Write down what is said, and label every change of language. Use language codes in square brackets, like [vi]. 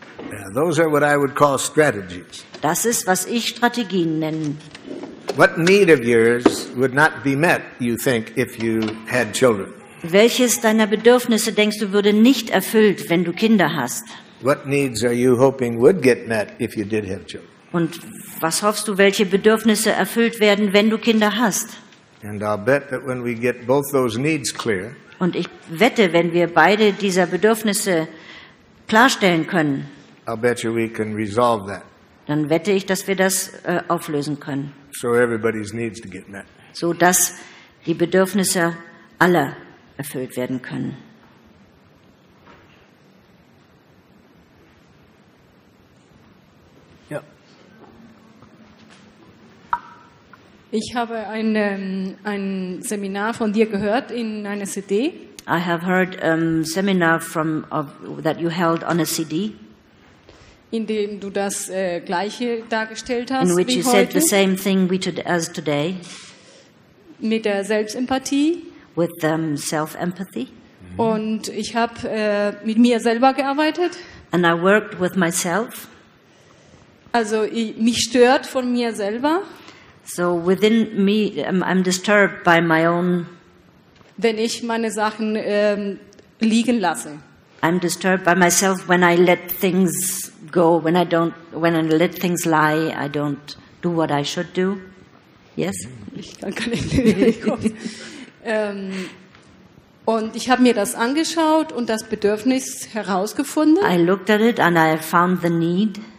[en] Yeah, those are what I would call strategies. [de] Das ist, was ich Strategien nenne. [en] What need of yours would not be met, you think, if you had children? [de] Welches deiner Bedürfnisse denkst du würde nicht erfüllt, wenn du Kinder hast? [en] What needs are you hoping would get met if you did have children? [de] Und was hoffst du, welche Bedürfnisse erfüllt werden, wenn du Kinder hast? [en] And I'll bet that when we get both those needs clear. [de] Und ich wette, wenn wir beide dieser Bedürfnisse klarstellen können. [en] I'll bet you we can resolve that. [de] Dann wette ich, dass wir das auflösen können. [en] So everybody's needs to get met. [de] So dass die Bedürfnisse aller erfüllt werden können. Ja. Ich habe ein Seminar von dir gehört in einer CD. [en] I have heard a seminar that you held on a CD. [de] In dem du das gleiche dargestellt hast [en] in which [de] wie [en] you [de] heute. [en] Said the same thing we as today. [de] Mit der Selbstempathie. [en] With self-empathy. [de] Mm-hmm. Und ich habe mit mir selber gearbeitet. [en] And I worked with myself. [de] Also mich stört von mir selber. [en] So within me, I'm disturbed by my own. [de] Wenn ich meine Sachen liegen lasse. [en] I'm disturbed by myself when I let things go, when I let things lie, I don't do what I should do. Yes? [de] Ich kann gar nicht kommen. Und ich habe mir das angeschaut und das Bedürfnis herausgefunden. [en] I looked at it and I found the need.